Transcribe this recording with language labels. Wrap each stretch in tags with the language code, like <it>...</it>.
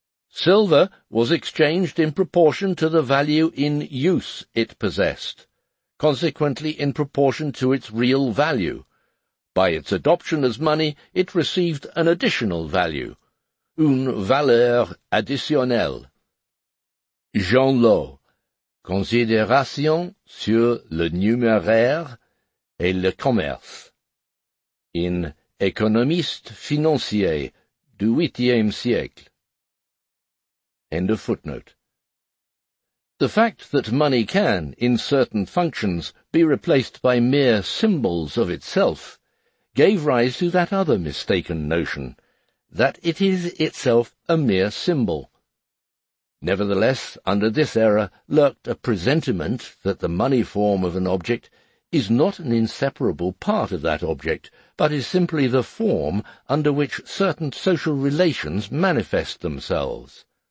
<en>Silver was exchanged in proportion to the value in use it possessed, consequently in proportion to its real value. By its adoption as money, it received an additional value,</en> <fr>une valeur additionnelle. Jean Law, Considération sur le numéraire et le commerce, in Économiste financier du 8e siècle.</fr> <en>End of footnote. The fact that money can, in certain functions, be replaced by mere symbols of itself gave rise to that other mistaken notion, that it is itself a mere symbol. Nevertheless, under this error lurked a presentiment that the money form of an object is not an inseparable part of that object, but is simply the form under which certain social relations manifest themselves.</en>